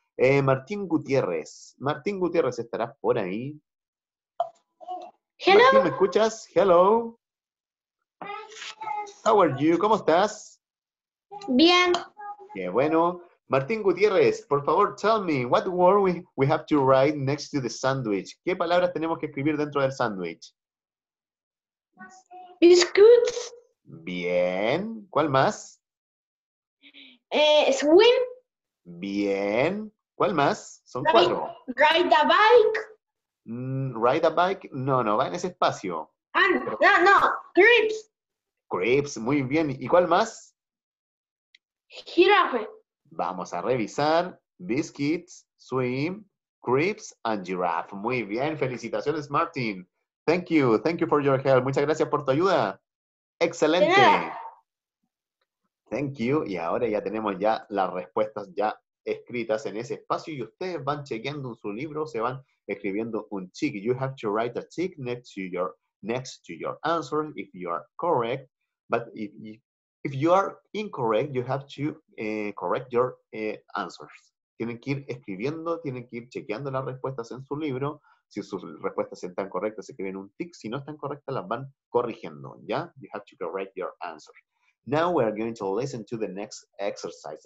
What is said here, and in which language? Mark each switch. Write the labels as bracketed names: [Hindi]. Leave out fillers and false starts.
[Spanish] Martín Gutiérrez. Martín Gutiérrez estará por ahí. [English] Hello. [Spanish] Martín, ¿me escuchas? [English] Hello. How are you? [Spanish] ¿Cómo estás? Bien. Qué bueno. [English] Martín Gutiérrez, [Spanish] por favor, [English] tell me, what word we have to write next to the sandwich? [Spanish] ¿Qué palabras tenemos que escribir dentro del sandwich? [English] Biscuits. [Spanish] Bien. ¿Cuál más? [English] Swim. [Spanish] Bien. ¿Cuál más? Son cuatro. [English] Ride a bike. Ride a bike. [Spanish] No, no, va en ese espacio. [English] Crips. [Spanish] Crips, muy bien. ¿Y cuál más? [English] Jirafe. [Spanish] Vamos a revisar. [English] Biscuits, swim, crepes, and giraffe. [Spanish] Muy bien. Felicitaciones, [English] Martin. Thank you. Thank you for your help. [Spanish] Muchas gracias por tu ayuda. Excelente. [English] Thank you. [Spanish] Y ahora ya tenemos ya las respuestas ya escritas en ese espacio. Y ustedes van chequeando en su libro. Se van escribiendo un tick. [English] You have to write a tick next to your answer if you are correct. But if you are incorrect, you have to correct your answers. [Spanish] Tienen que ir escribiendo, tienen que ir chequeando las respuestas en su libro. Si sus respuestas están correctas, se escriben un tick. Si no están correctas, las van corrigiendo, ¿ya? [English] You have to correct your answer. Now we are going to listen to the next exercise.